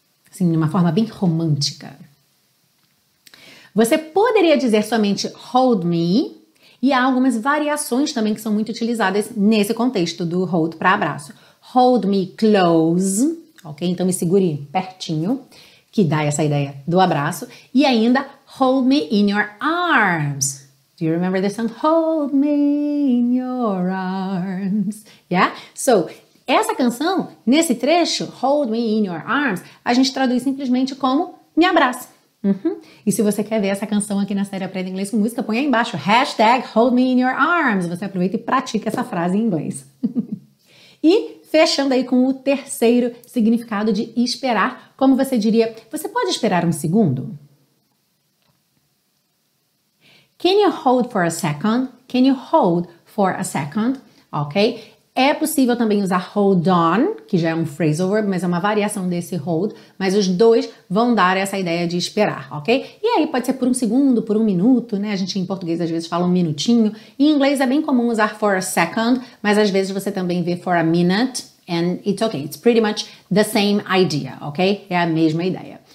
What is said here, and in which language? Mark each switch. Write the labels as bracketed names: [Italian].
[Portuguese] Assim, de uma forma bem romântica. Você poderia dizer somente hold me, e há algumas variações também que são muito utilizadas nesse contexto do hold para abraço. [English] Hold me close, ok? [Portuguese] Então me segure pertinho, que dá essa ideia do abraço. E ainda, [English] hold me in your arms. Do you remember the song? Hold me in your arms. Yeah? [Portuguese] So, essa canção, nesse trecho, Hold Me In Your Arms, a gente traduz simplesmente como me abraça. Uhum. E se você quer ver essa canção aqui na série Aprenda Inglês com Música, põe aí embaixo, hashtag Hold Me In Your Arms. Você aproveita e pratica essa frase em inglês. E fechando aí com o terceiro significado de esperar, como você diria, você pode esperar um segundo? [English] Can you hold for a second? Can you hold for a second? Ok? [Portuguese] É possível também usar hold on, que já é um phrasal verb, mas é uma variação desse hold, mas os dois vão dar essa ideia de esperar, ok? E aí pode ser por um segundo, por um minuto, né? A gente em português às vezes fala um minutinho. Em inglês é bem comum usar for a second, mas às vezes você também vê for a minute, [English] and it's okay, it's pretty much the same idea, ok? [Portuguese] É a mesma ideia.